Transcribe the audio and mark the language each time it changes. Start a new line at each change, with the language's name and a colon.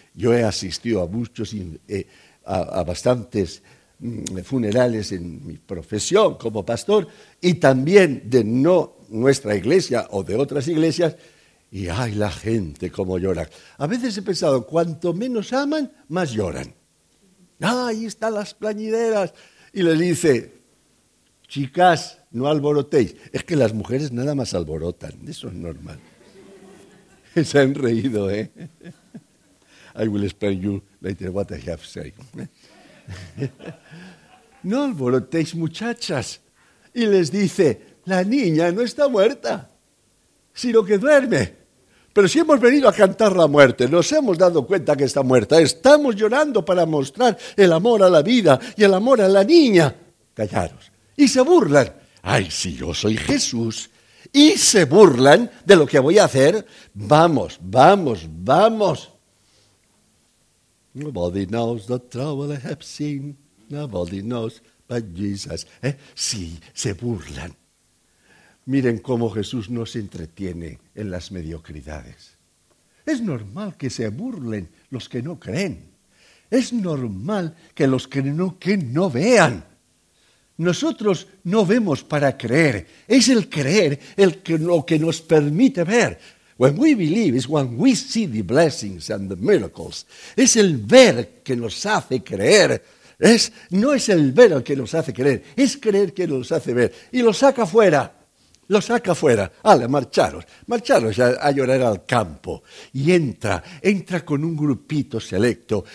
Spanish: Yo he asistido a muchos, a bastantes funerales en mi profesión como pastor y también de no nuestra iglesia o de otras iglesias y ¡ay, la gente cómo llora! A veces he pensado, cuanto menos aman, más lloran. ¡Ah, ahí están las plañideras! Y les dice, chicas, no alborotéis. Es que las mujeres nada más alborotan, eso es normal. Se han reído, ¿eh?
English: I will explain you later what I have said.
Spanish: No alborotéis, muchachas. Y les dice, la niña no está muerta, sino que duerme. Pero si hemos venido a cantar la muerte, nos hemos dado cuenta que está muerta. Estamos llorando para mostrar el amor a la vida y el amor a la niña. Callaros. Y se burlan. Ay, si yo soy Jesús y se burlan de lo que voy a hacer. Vamos, vamos, vamos.
English: Nobody knows the trouble I have seen. Nobody knows but Jesus.
Spanish: Sí, se burlan. Miren cómo Jesús no se entretiene en las mediocridades. Es normal que se burlen los que no creen. Es normal que los que no vean. Nosotros no vemos para creer. Es el creer lo que nos permite ver.
English: When we believe is when we see the blessings and the miracles.
Spanish: Es el ver que nos hace creer. No es el ver el que nos hace creer. Es creer que nos hace ver. Y lo saca fuera. Lo saca fuera. ¡Hala, marcharos! Marcharos a llorar al campo. Y entra con un grupito selecto.